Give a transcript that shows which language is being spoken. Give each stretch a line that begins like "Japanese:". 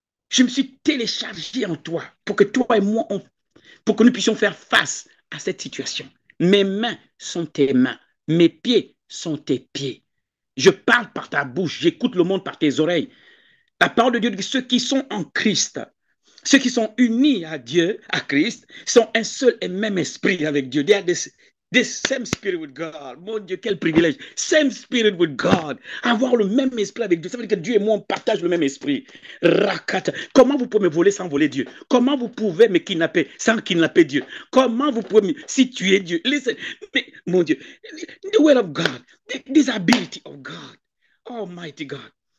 French: Je me suis téléchargé en toi pour que toi et moi, pour que nous puissions faire face à cette situation. Mes mains sont tes mains. Mes pieds sont tes pieds. Je parle par ta bouche. J'écoute le monde par tes oreilles. La parole de Dieu dit que ceux qui sont en Christ, ceux qui sont unis à Dieu, à Christ, sont un seul et même esprit avec Dieu.
English: They are the same spirit with God.
French: Mon Dieu, quel privilège.
English: Same spirit with God.
French: Avoir le même esprit avec Dieu. Ça veut dire que Dieu et moi, on partage le même esprit. Rakata. Comment vous pouvez me voler sans voler Dieu? Comment vous pouvez me kidnapper sans kidnapper Dieu? Comment vous pouvez me... Si tu es Dieu,
English: listen.
French: Mais, mon Dieu,
English: the word of God, this ability of God, almighty God.